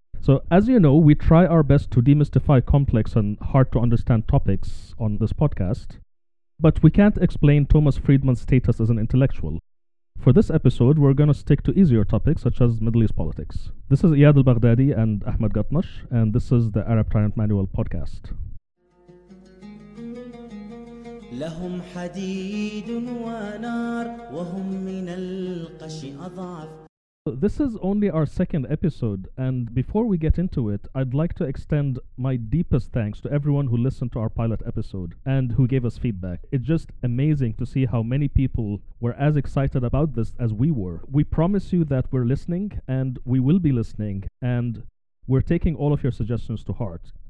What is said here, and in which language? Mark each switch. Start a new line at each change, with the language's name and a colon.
English: So as you know, we try our best to demystify complex and hard to understand topics on this podcast, but we can't explain Thomas Friedman's status as an intellectual. For this episode, we're going to stick to easier topics such as Middle East politics. This is Iyad al-Baghdadi and Ahmed Gatnash, and this is the Arab Tyrant Manual podcast.
Arabic: لهم حديد ونار وهم من القش أضعف.
English: This is only our second episode, and before we get into it, I'd like to extend my deepest thanks to everyone who listened to our pilot episode and who gave us feedback. It's just amazing to see how many people were as excited about this as we were. We promise you that we're listening, and we will be listening, and we're taking all of your suggestions to heart.